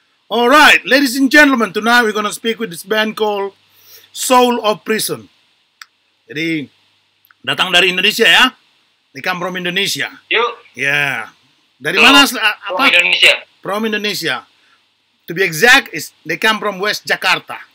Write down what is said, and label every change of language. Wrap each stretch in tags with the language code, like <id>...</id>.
<en>All right, ladies and gentlemen, tonight we're going to speak with this band called Soul of Prison.</en> <id>Jadi, datang dari Indonesia ya?</id> <en>They come from Indonesia.</en> <id>Yuk.</id> <en>Yeah.</en> <id>Dari</id> <en>so,</en> <id>mana? Apa?</id> <en>From Indonesia. From Indonesia. To be exact, is they come from West Jakarta.</en>